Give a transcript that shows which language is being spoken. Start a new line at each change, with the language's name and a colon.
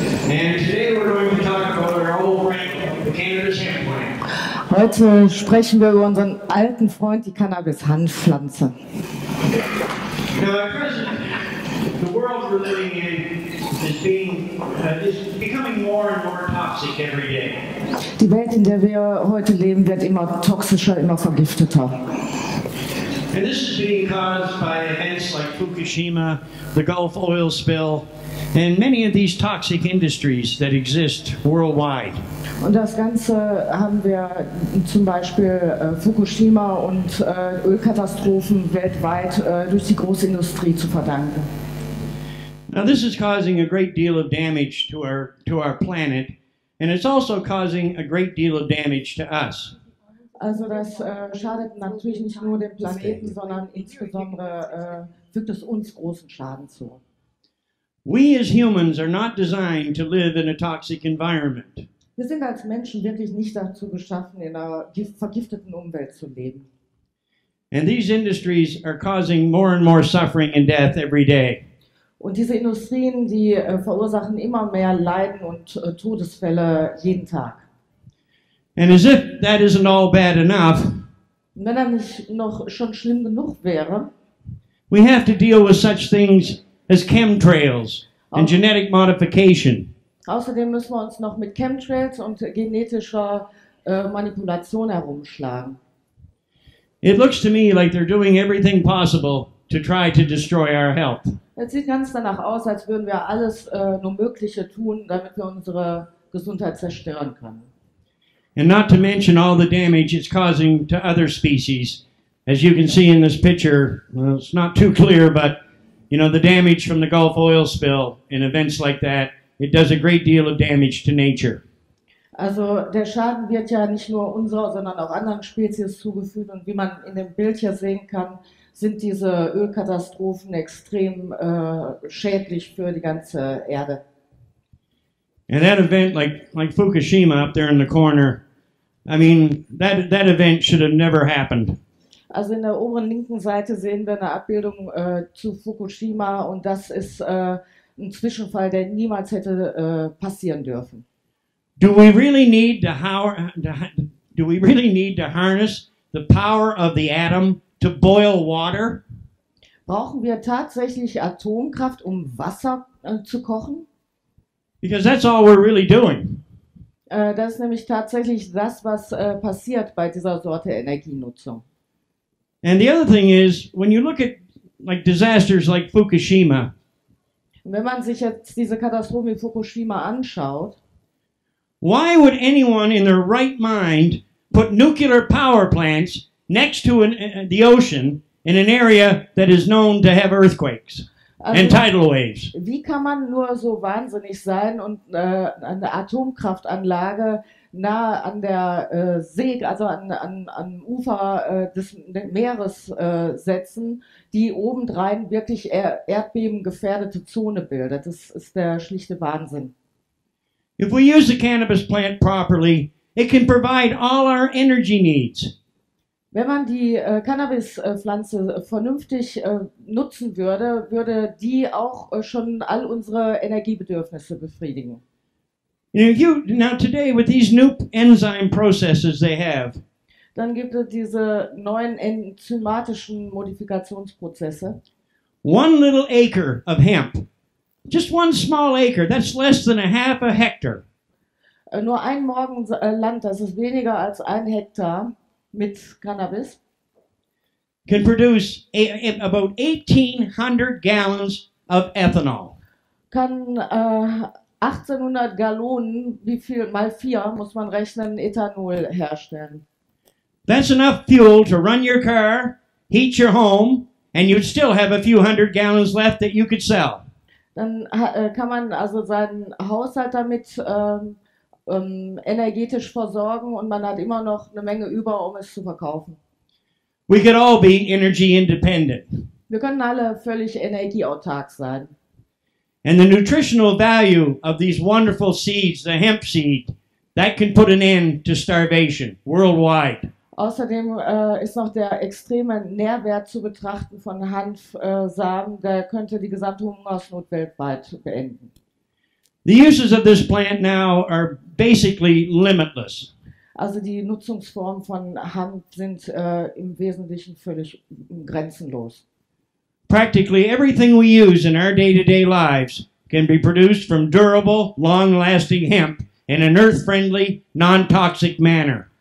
English: And today we're going to talk about our old friend, the cannabis hemp plant.
German: Heute sprechen wir über unseren alten Freund, die Cannabis-Hanfpflanze.
English: Now, at present, the world we're living in is becoming more and more toxic every day.
German: Die Welt, in der wir heute leben, wird immer toxischer, immer vergifteter.
English: And this is being caused by events like Fukushima, the Gulf oil spill, and many of these toxic industries that exist worldwide.
German: Und das Ganze haben wir zum Beispiel Fukushima und Ölkatastrophen weltweit durch die Großindustrie zu verdanken.
English: Now this is causing a great deal of damage to our planet, and it's also causing a great deal of damage to us.
German: Also das schadet natürlich nicht nur dem Planeten, sondern insbesondere fügt es uns großen Schaden zu.
English: We as humans are not designed to live in a toxic environment.
German: Wir sind als Menschen wirklich nicht dazu geschaffen, in einer vergifteten Umwelt zu leben.
English: And these industries are causing more and more suffering and death every day.
German: Und diese Industrien, die verursachen immer mehr Leiden und Todesfälle jeden Tag.
English: And as if that isn't all bad enough,
German: wenn das nicht noch schon schlimm genug wäre,
English: we have to deal with such things as chemtrails and genetic modification.
German: Außerdem müssen wir uns noch mit Chemtrails und genetischer Manipulation herumschlagen.
English: It looks to me like they're doing everything possible to try to destroy our health.
German: Es sieht ganz danach aus, als würden wir alles nur Mögliche tun, damit wir unsere Gesundheit zerstören können.
English: And not to mention all the damage it's causing to other species. As you can see in this picture, well, it's not too clear, but you know, the damage from the Gulf oil spill and events like that, it does a great deal of damage to nature.
German: Also der Schaden wird ja nicht nur unserer, sondern auch anderen Spezies zugefügt. Und wie man in dem Bild hier sehen kann, sind diese Ölkatastrophen extrem schädlich für die ganze Erde.
English: And that event like Fukushima up there in the corner, I mean, that event should have never happened.
German: Also in der oberen linken Seite sehen wir eine Abbildung zu Fukushima, und das ist ein Zwischenfall, der niemals hätte passieren dürfen.
English: Do we really need to harness the power of the atom to boil water?
German: Brauchen wir tatsächlich Atomkraft, um Wasser zu kochen?
English: Because that's all we're really doing.
German: Das ist nämlich tatsächlich das, was passiert bei dieser Sorte Energienutzung.
English: And the other thing is, when you look at like disasters like Fukushima,
German: wenn man sich jetzt diese Katastrophe in Fukushima anschaut,
English: why would anyone in their right mind put nuclear power plants next to the ocean in an area that is known to have earthquakes and tidal waves?
German: Wie kann man nur so wahnsinnig sein und eine Atomkraftanlage nahe an der See, also an Ufer des Meeres setzen, die obendrein wirklich erdbebengefährdete Zone bildet? Das ist der schlichte Wahnsinn.
English: If we use the cannabis plant properly, it can provide all our energy needs.
German: Wenn man die Cannabispflanze vernünftig nutzen würde, würde die auch schon all unsere Energiebedürfnisse befriedigen.
English: Now today with these new enzyme processes they have,
German: dann gibt es diese neuen enzymatischen Modifikationsprozesse.
English: One little acre of hemp, just one small acre, that's less than a half a hectare.
German: Nur ein Morgen Land, das ist weniger als ein Hektar mit Cannabis,
English: can produce about 1800 gallons of ethanol.
German: Kann 1800 Gallonen, wie viel mal 4 muss man rechnen, Ethanol herstellen.
English: That's enough fuel to run your car, heat your home, and you'd still have a few hundred gallons left that you could sell.
German: Dann kann man also seinen Haushalt damit energetisch versorgen, und man hat immer noch eine Menge über, um es zu verkaufen.
English: We could all be energy independent.
German: Wir können alle völlig energieautark sein.
English: And the nutritional value of these wonderful seeds, the hemp seed, That can put an end to starvation worldwide.
German: Außerdem ist noch der extreme Nährwert zu betrachten von Hanfsamen, der könnte die gesamte Hungersnot weltweit beenden.
English: The uses of this plant now are basically limitless.
German: Also die Nutzungsformen von Hanf sind im Wesentlichen völlig grenzenlos.
English: Practically everything we use in our day-to-day lives can be produced from durable, long-lasting hemp in an earth-friendly, non-toxic manner.